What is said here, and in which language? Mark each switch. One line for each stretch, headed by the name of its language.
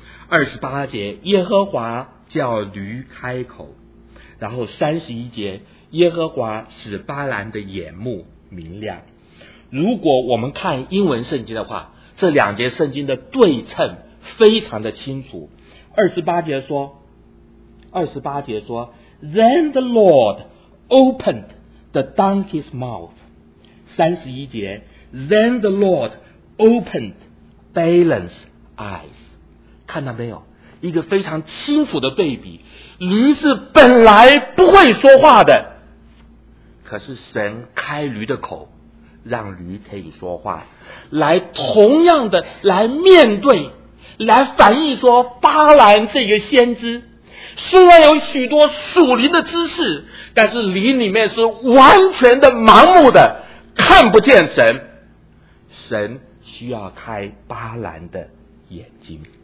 Chinese: 28节，耶和华叫驴开口，然后31节，耶和华使巴兰的眼目明亮。如果我们看英文圣经的话，这两节圣经的对称非常的清楚。 28节说
English: Then the Lord opened the donkey's mouth. 31节 Then the Lord opened Balaam's eyes.
Chinese: 看到没有，一个非常清楚的对比，驴是本来不会说话的，可是神开驴的口让驴可以说话，来同样的来面对，来反映说巴兰这个先知虽然有许多属灵的知识，但是灵里面是完全的盲目的，看不见神，神需要开巴兰的眼睛。